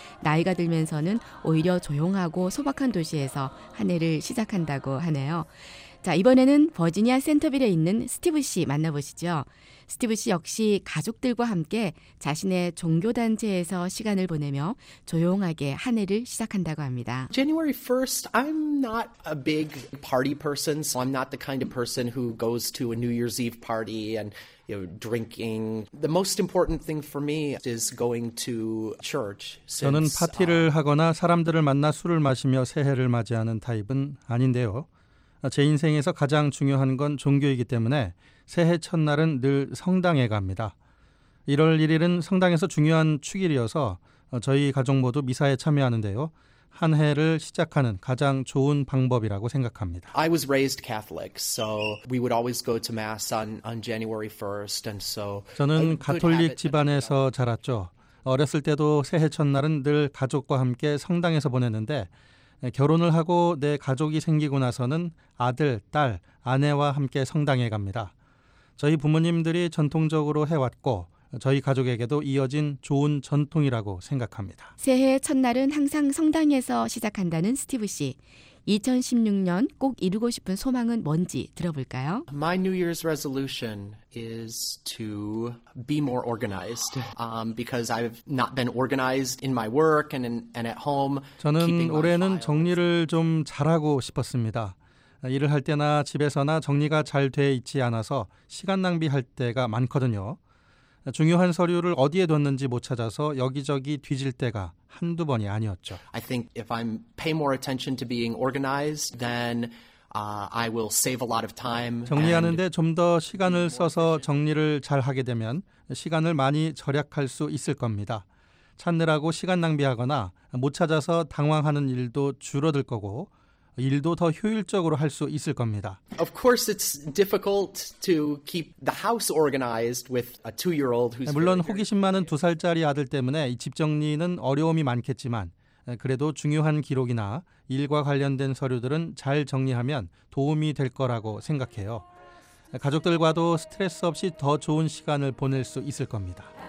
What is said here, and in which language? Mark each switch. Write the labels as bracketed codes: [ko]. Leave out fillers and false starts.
[ko] 나이가 들면서는 오히려 조용하고 소박한 도시에서 한 해를 시작한다고 하네요. 자, 이번에는 버지니아 센터빌에 있는 스티브 씨 만나보시죠. 스티브 씨 역시 가족들과 함께 자신의 종교단체에서 시간을 보내며 조용하게 한 해를 시작한다고 합니다. [en] January 1st, I'm not a big party person, so I'm not the kind of person who goes to a New Year's Eve party and you know, drinking. The most important thing for me is going to church. [ko] 저는 파티를 하거나 사람들을 만나 술을 마시며 새해를 맞이하는 타입은 아닌데요. 제 인생에서 가장 중요한 건 종교이기 때문에 새해 첫날은 늘 성당에 갑니다. 1월 1일은 성당에서 중요한 축일이어서 저희 가족 모두 미사에 참여하는데요. 한 해를 시작하는 가장 좋은 방법이라고 생각합니다. [en] I was raised Catholic, so we would always go to mass on January 1st and so [ko] 저는 가톨릭 집안에서 자랐죠. 어렸을 때도 새해 첫날은 늘 가족과 함께 성당에서 보냈는데 결혼을 하고 내 가족이 생기고 나서는 아들, 딸, 아내와 함께 성당에 갑니다. 저희 부모님들이 전통적으로 해왔고 저희 가족에게도 이어진 좋은 전통이라고 생각합니다. 새해 첫날은 항상 성당에서 시작한다는 스티브 씨. 2016년 꼭 이루고 싶은 소망은 뭔지 들어볼까요? [en] My New Year's resolution is to be more organized because I've not been organized in my work and at home. [ko] 저는 올해는 정리를 좀 잘하고 싶었습니다. 일을 할 때나 집에서나 정리가 잘 돼 있지 않아서 시간 낭비할 때가 많거든요. 중요한 서류를 어디에 뒀는지 못 찾아서 여기저기 뒤질 때가 한두 번이 아니었죠. [en] I think if I pay more attention to being organized, then I will save a lot of time. [ko] 정리하는데 좀 더 시간을 써서 정리를 잘 하게 되면 시간을 많이 절약할 수 있을 겁니다. 찾느라고 시간 낭비하거나 못 찾아서 당황하는 일도 줄어들 거고 일도 더 효율적으로 할 수 있을 겁니다. [en] Of course, it's difficult to keep the house organized with a two-year-old who's [ko] 물론 호기심 많은 두 살짜리 아들 때문에 이 집 정리는 어려움이 많겠지만 그래도 중요한 기록이나 일과 관련된 서류들은 잘 정리하면 도움이 될 거라고 생각해요. 가족들과도 스트레스 없이 더 좋은 시간을 보낼 수 있을 겁니다.